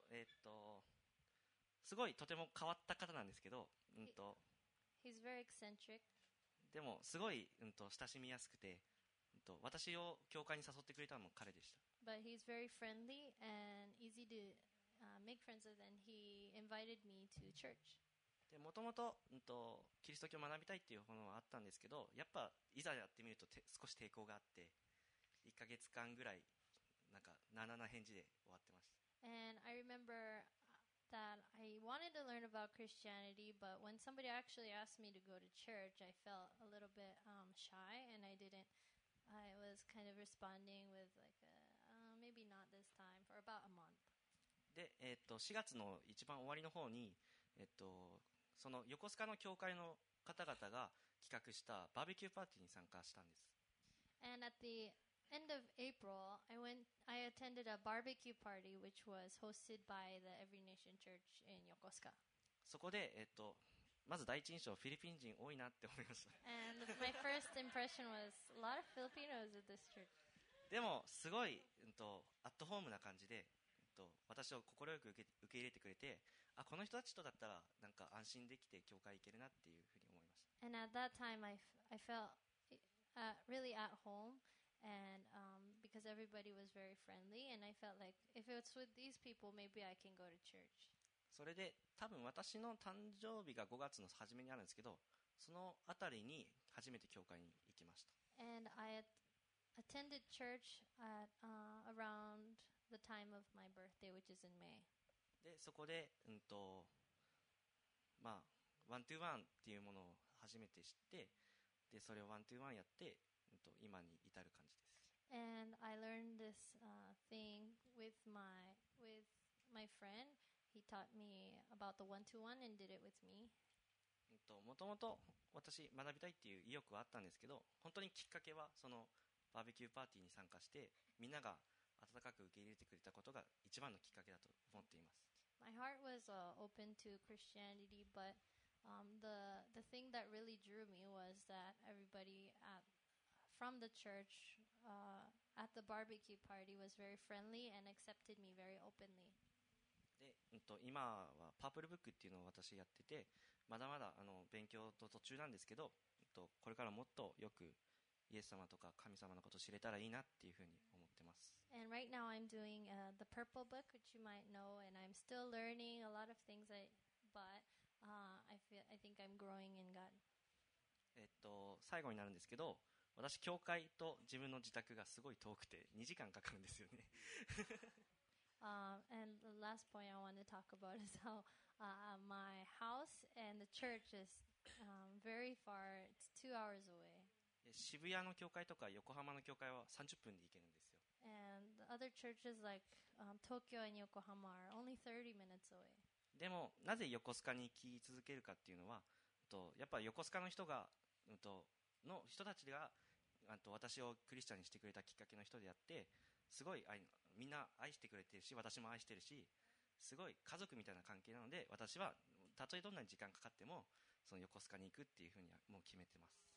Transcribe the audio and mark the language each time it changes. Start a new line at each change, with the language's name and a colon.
Japanese: そう、すごいとても変わった方なんですけど、
English: He's very eccentric.
Japanese: でもすごい、親しみやすくて、私を教会に誘ってくれたのも彼でした。
English: But he's very friendly and easy to make friends with, and he invited me to church.
Japanese: もともと、キリスト教を学びたいっていうものはあったんですけど、やっぱいざやってみると少し抵抗があって、1ヶ月間ぐらいなんかなな返事で終わってました。
English: And I remember that I wanted to learn about Christianity, but when somebody actually asked me to go to church, I felt a little bit shy, and I was kind of responding with like maybe not this time for about a month.
Japanese: で、4月の一番終わりの方に、その横須賀の教会の方々が企画したバーベキューパーティーに参加したんです。
English: And at the end of April, I attended a barbecue party which was hosted by the Every Nation Church in Yokosuka.
Japanese: そこで、まず第一印象、フィリピン人多いなって思いました。
English: And my first impression was a lot of Filipinos at this church.
Japanese: でもすごい、アットホームな感じで、私を心よく受け入れてくれて、あ、この人たちとだったらなんか安心できて教会行けるなっていうふうに思いました。
English: And at that time I felt really at home and, because everybody was very friendly and I felt like if it's with these people maybe I can go to church。
Japanese: それで多分私の誕生日が5月の初めにあるんですけど、そのあたりに初めて教会に行きました。
English: And I attended church at, around the time of my birthday which is in May。
Japanese: でそこで、まあ、ワントゥーワンっていうものを初めて知って、でそれをワントゥーワンやって、今に至る感じです。
English: And I learned this, thing with my friend. He taught me about the one to one and did it with me.
Japanese: もともと私学びたいっていう意欲はあったんですけど、本当にきっかけはそのバーベキューパーティーに参加してみんなが温かく受け入れてくれたことが一番のきっかけだと思っています。
English: My heart was open to Christianity, but the thing that really drew me was that everybody at, from the church at the barbecue party was very friendly and accepted me very openly.
Japanese: で、今はパープルブックっていうのを私やってて、まだまだ勉強と途中なんですけど、これからもっとよくイエス様とか神様のことを知れたらいいなっていうふうに思ってます。
English: And right now I'm doing the purple book, which you might know, and I'm still learning a lot of things, but I think I'm growing in God.
Japanese: 最後になるんですけど、私教会と自分の自宅がすごい遠くて2時間かかるんですよね。
English: and the last point I want to talk about is how my house and the church is very far. It's 2 hours away.
Japanese: 渋谷の教会とか横浜の教会は30分で行けるんですよ。
English: And the other churches like, Tokyo and Yokohama are only 30 minutes away.
Japanese: でもなぜ横須賀に行き続けるかっていうのは、やっぱり横須賀の人が、の人たちが、私をクリスチャンにしてくれたきっかけの人であって、すごいみんな愛してくれてるし、私も愛してるし、すごい家族みたいな関係なので、私はたとえどんなに時間かかってもその横須賀に行くっていうふうにもう決めてます。